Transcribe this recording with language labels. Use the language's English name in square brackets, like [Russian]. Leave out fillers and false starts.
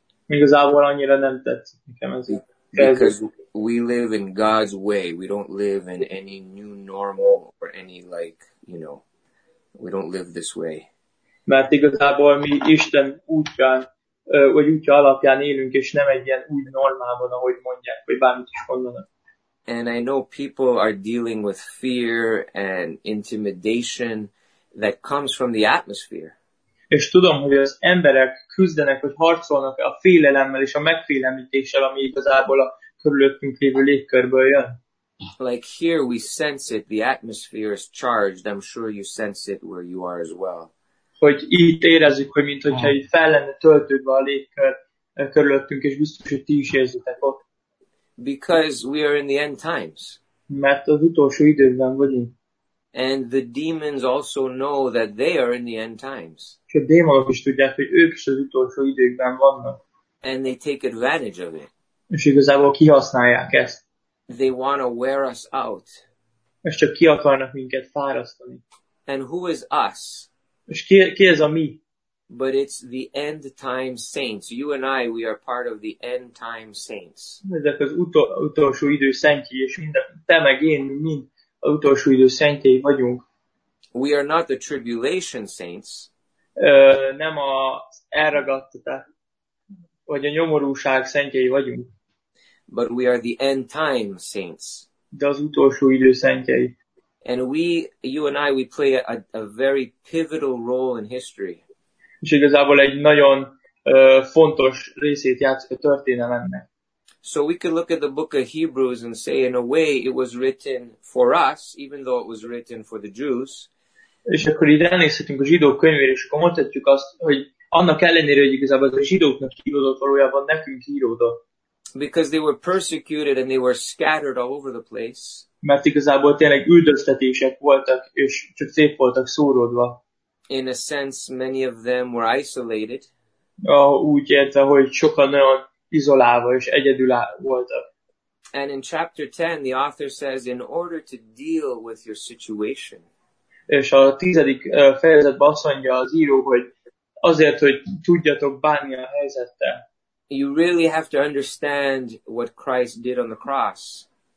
[Hungarian] Igazából annyira nem tetszik nekem ez. [English] Because we live in God's way, we don't live in any new normal or any like, you know, we don't live this way. [Hungarian] Mert igazából mi Isten útján vagy útja alapján élünk, és nem egy ilyen új normálban, ahogy mondják, vagy bármit is mondanak. [English] And I know people are dealing with fear and intimidation that comes from the atmosphere. [Hungarian] És tudom, hogy az emberek küzdenek, hogy harcolnak a félelemmel és a megfélemlítéssel, ami igazából a körülöttünk lévő légkörből jön. [English] Like here we sense it, the atmosphere is charged. I'm sure you sense it where you are as well. [Hungarian] Hogy itt érezzük, hogy mintha itt fel lenne töltődve a légkör körülöttünk, és biztos, hogy ti is érzitek ott. [English] Because we are in the end times. [Hungarian] Mert az utolsó időben vagyunk. [English] And the demons also know that they are in the end times. [Hungarian] És a démonok is tudják, hogy ők is az utolsó időkben vannak. [English] And they take advantage of it. [Hungarian] És igazából kihasználják ezt. [English] They want to wear us out. [Hungarian] És csak ki akarnak minket fárasztani. [English] And who is us? [Hungarian] És ki ez a mi? [English] But it's the end time saints. You and I, we are part of the end time saints. [Hungarian] Ezek az utolsó idő szentjei, és minden, te meg én, mind az utolsó idő szentjei vagyunk. [English] We are not the tribulation saints. [Hungarian] nem a elragadtatás, vagy a nyomorúság szentjei vagyunk. [English] But we are the end time saints. [Hungarian] De az utolsó idő szentjei. [English] And we, you and I, we play a very pivotal role in history. [Hungarian] És igazából egy nagyon fontos részét játszik a történelemnek. [English] So we could look at the book of Hebrews and say, in a way, it was written for us, even though it was written for the Jews. [Hungarian] És akkor így elnézhetünk a zsidók könyvére, és akkor mondhatjuk azt, hogy annak ellenére, hogy igazából a zsidóknak íródott, valójában nekünk íródott. [English] Because they were persecuted and they were scattered all over the place. [Hungarian] Mert igazából tényleg üldöztetések voltak, és csak szép voltak szóródva. [English] In a sense, many of them were isolated. [Hungarian] Úgy érte, hogy sokan nagyon izolálva és egyedül voltak. [English] And in chapter 10, the author says, in order to deal with your situation. [Hungarian] És a tizedik fejezetben azt mondja az író, hogy azért, hogy tudjatok bánni a helyzettel. [English] You really have to understand what Christ did on the cross.